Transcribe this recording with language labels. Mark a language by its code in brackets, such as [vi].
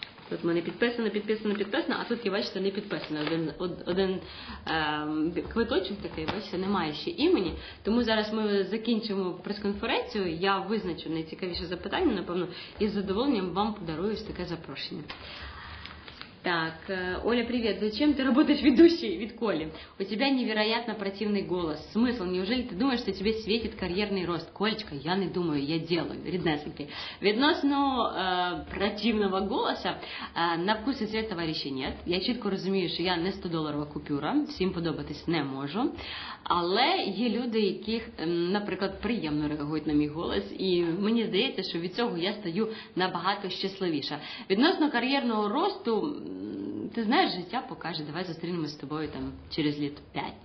[uk] Тут в мене підписано, а тут я бачу, що не підписано. Один квиточок такий, бачите, немає ще імені. Тому зараз ми закінчимо прес-конференцію, я визначу найцікавіше запитання, напевно, і з задоволенням вам подарую ось таке запрошення. [ru] Так, Оля, привет, зачем ты работаешь ведущей [uk] від Колі? [ru] У тебя невероятно противный голос. Смысл, неужели ты думаешь, что тебе светит карьерный рост? Колечка, я не думаю, я делаю. Реднесенки. Відносно противного голоса, на вкус и цвет товарища нет. [uk] Я чітко розумію, що я не 100-доларова купюра, всім подобатись не можу. Але є люди, яких, наприклад, приємно реагують на мій голос, і мені здається, що від цього я стаю набагато щасливіша. Відносно кар'єрного росту, ти знаєш, життя покаже, давай зустрінемось з тобою там через літ 5.